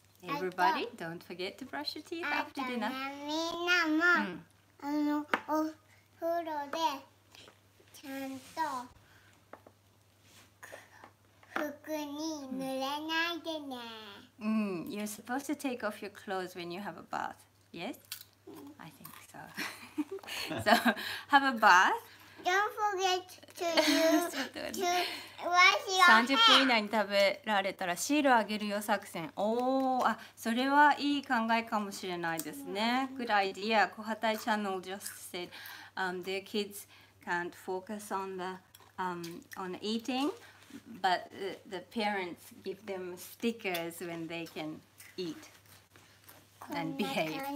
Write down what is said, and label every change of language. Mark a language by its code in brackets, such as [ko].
[en] Everybody, don't forget to brush your teeth after dinner. [ja] みんなも、お風呂でちゃんと服に濡れないでね。 [en] You're supposed to take off your clothes when you have a bath. Yes? I think so. So, have a bath. Don't forget to use to wash your hands. [ja] 30分以内に食べられたらシールあげるよ作戦。おお、あ、それはいい考えかもしれないですね。 [en] Good idea. コハタイチャンネル just said, their kids can't focus on the, on eating, but the parents give them stickers when they can eat and behave.